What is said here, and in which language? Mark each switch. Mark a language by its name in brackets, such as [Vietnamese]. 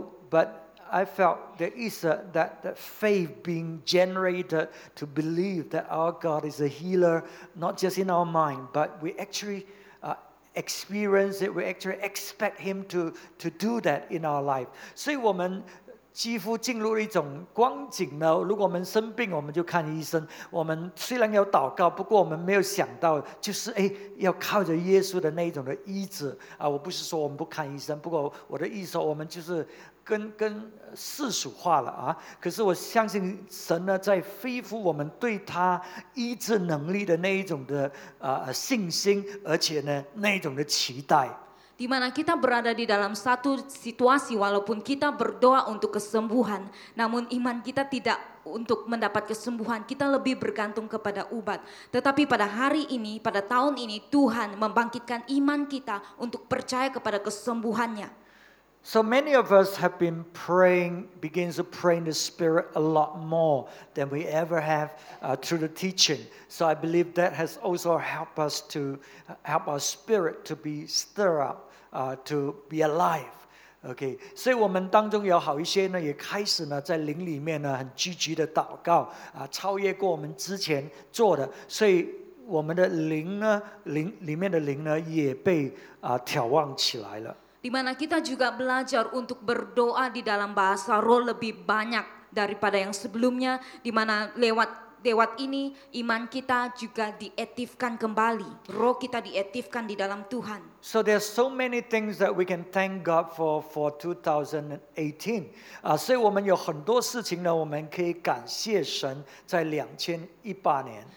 [English] But I felt there is that faith being generated to believe that our God is a healer, not just in our mind, but we actually experience it. We actually expect Him to do that in our life. [Chinese] 所以我们 几乎进入了一种光景呢。如果我们生病，我们就看医生。我们虽然有祷告，不过我们没有想到，就是要靠着耶稣的那种的医治。我不是说我们不看医生，不过我的意思说，我们就是跟世俗化了。可是我相信神呢，在恢复我们对他医治能力的那一种的信心，而且呢那一种的期待。 [Indonesian] Di mana kita berada di dalam satu situasi walaupun kita berdoa untuk kesembuhan, namun iman kita tidak untuk mendapat kesembuhan, kita lebih bergantung kepada obat. Tetapi pada hari ini, pada tahun ini, Tuhan membangkitkan iman kita untuk percaya kepada kesembuhannya. [English] So many of us have been begin to pray in the Spirit a lot more than we ever have through the teaching. So I believe that has also helped us to help our spirit to be stirred up. To be alive, okay. [Chinese] 所以我们当中有好一些呢，也开始呢在灵里面呢很积极的祷告，超越过我们之前做的。所以我们的灵呢，灵里面的灵呢，也被眺望起来了。 [Indonesian] Di mana kita juga belajar untuk berdoa di dalam bahasa roh lebih banyak daripada yang sebelumnya, di mana lewat lewat ini iman kita juga diaktifkan kembali. Roh kita diaktifkan di dalam Tuhan. [English] So there are so many things that we can thank God for 2018. [Chinese] 所以我们有很多事情呢，我们可以感谢神在2018年。